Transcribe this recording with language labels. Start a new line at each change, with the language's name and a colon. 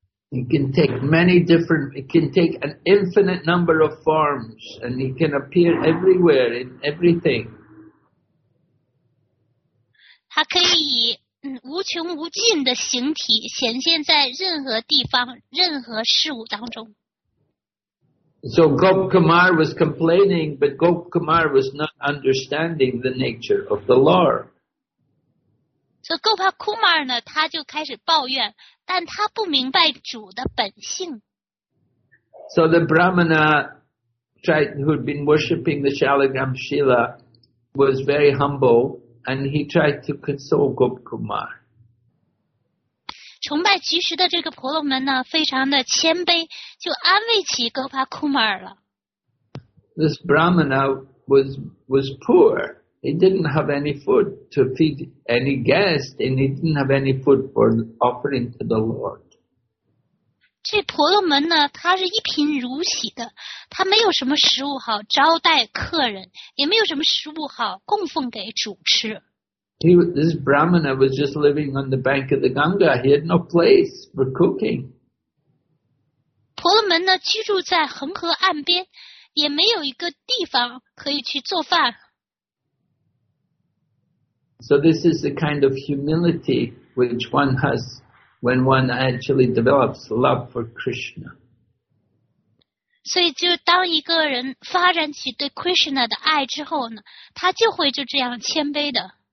English: He can take many different, he can take an infinite number of forms, and he can appear everywhere in everything.
Chinese: 他可以以无穷无尽的形体显现在任何地方任何事物当中。
English: So Gopakumar was complaining, but Gopakumar was not understanding the nature of the Lord. So
Chinese: Gopakumar 呢他就开始抱怨，但他不明白主的本性。
English: So the Brahmana who had been worshipping the Shalagram Shila was very humbleAnd he tried to console Gopakumar.
Chinese: 崇拜菊石的这个婆罗门呢，非常的谦卑，就安慰起 Gopakumar 了。
English: This Brahmana was poor. He didn't have any food to feed any guest, and he didn't have any food for offering to the Lord.
Chinese: 这婆罗门呢，他是一贫如洗的，他没有什么食物好招待客人，也没有什么食物好供奉给主吃。
English: This Brahmana was just living on the bank of the Ganga. He had no place for cooking.
Chinese: 婆罗门呢，居住在恒河岸边，也没有一个地方可以去做饭。
English: So this is the kind of humility which one has when one actually develops love for Krishna.
Chinese: 所以就当一个人发展起对 Krishna 的爱之后呢，他就会就这样谦卑的。